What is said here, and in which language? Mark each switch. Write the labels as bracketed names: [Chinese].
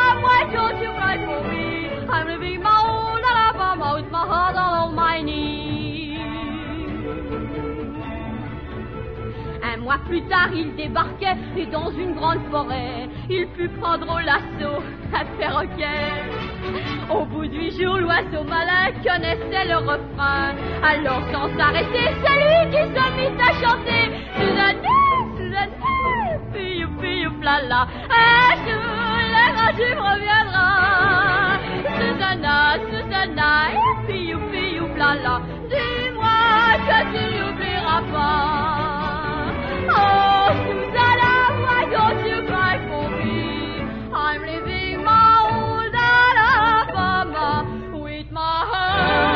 [English] Oh, Susanna, why don't you cry for me? I'm leaving my old Alabama with my heart all on my knee. [French] Un mois plus tard, il débarquait et dans une grande forêt, il put prendre au lasso un perroquet. Au bout du jour, l'oiseau malin connaissait le refrain. Alors sans s'arrêter, c'est lui qui se mit à chanter. Susanna, Susanna, youpi, youpi, lala. Un jour, la grande Jim reviendra. Susanna, Susanna, youpi, youpi, youpi, lala. Dis-moi que tu n'oublieras pas. [English] Oh, Susanna, why don't you cry for me? I'm leaving my old Alabama with my heart.